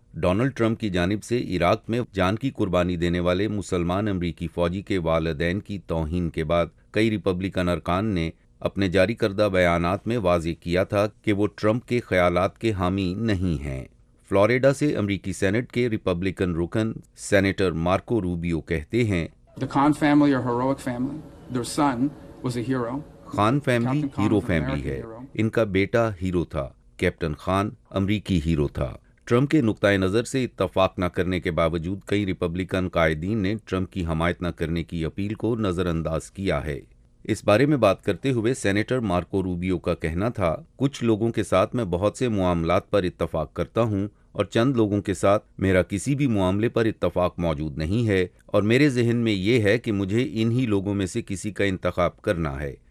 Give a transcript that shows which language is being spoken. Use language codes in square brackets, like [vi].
[ur] Donald Trump کی جانب سے عراق میں جان کی قربانی دینے والے مسلمان امریکی فوجی کے والدین کی توہین کے بعد کئی ریپبلکن ارکان نے اپنے جاری کردہ بیانات میں واضح کیا تھا کہ وہ ٹرمپ کے خیالات کے حامی نہیں ہیں۔ فلوریڈا سے امریکی سینٹ کے ریپبلکن رکن سینیٹر مارکو روبیو کہتے ہیں، [en] The Khan family are heroic family. Their son was a hero. [ur] Khan family hero family ہے. ان کا بیٹا ہیرو تھا. کیپٹن خان امریکی ہیرو تھا. ٹرمپ کے نقطۂ نظر سے اتفاق نہ کرنے کے باوجود کئی ریپبلکن قائدین نے ٹرمپ کی حمایت نہ کرنے کی اپیل کو نظر انداز کیا ہے. اس بارے میں بات کرتے ہوئے سینیٹر مارکو روبیو کا کہنا تھا، کچھ لوگوں کے ساتھ میں بہت سے معاملات پر اتفاق کرتا ہوں اور چند لوگوں کے ساتھ میرا کسی بھی معاملے پر اتفاق موجود نہیں ہے، اور میرے ذہن میں یہ ہے کہ مجھے انہی لوگوں میں سے کسی کا انتخاب کرنا ہے.